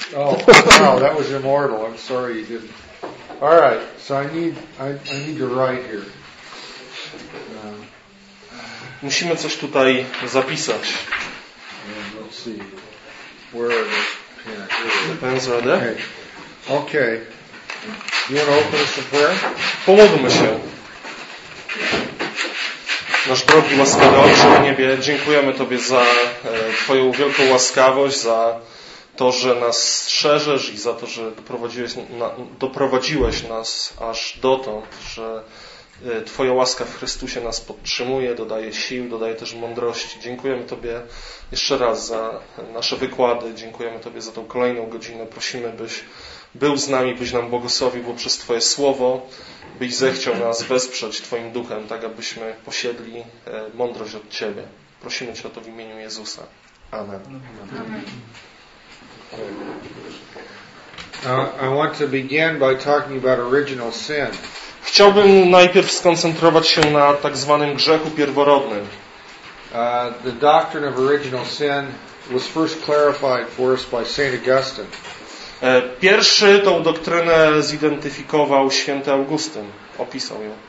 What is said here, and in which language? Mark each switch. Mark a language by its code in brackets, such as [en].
[en] Oh, wow, that was immortal. I'm sorry you didn't. All right, so I need to write here. [pl] Musimy coś tutaj zapisać. [en] And let's see. Where are those pens? The pens are there. Okay. You want to open us a prayer? [pl] Pomódlmy się. Nasz drogi łaskawy Ojcze w niebie, dziękujemy Tobie za Twoją wielką łaskawość, za to, że nas strzeżesz i za to, że doprowadziłeś nas aż dotąd, że Twoja łaska w Chrystusie nas podtrzymuje, dodaje sił, dodaje też mądrości. Dziękujemy Tobie jeszcze raz za nasze wykłady, dziękujemy Tobie za tą kolejną godzinę. Prosimy, byś był z nami, byś nam błogosławił poprzez Twoje słowo, byś zechciał nas wesprzeć Twoim duchem, tak abyśmy posiedli mądrość od Ciebie. Prosimy Cię o to w imieniu Jezusa. Amen. [en] I want to begin by talking about original sin. [pl] Chciałbym najpierw skoncentrować się na tak zwanym grzechu pierworodnym. [en] The doctrine of original sin was first clarified for us by St. Augustine. [pl] Pierwszy tą doktrynę zidentyfikował święty Augustyn, opisał ją.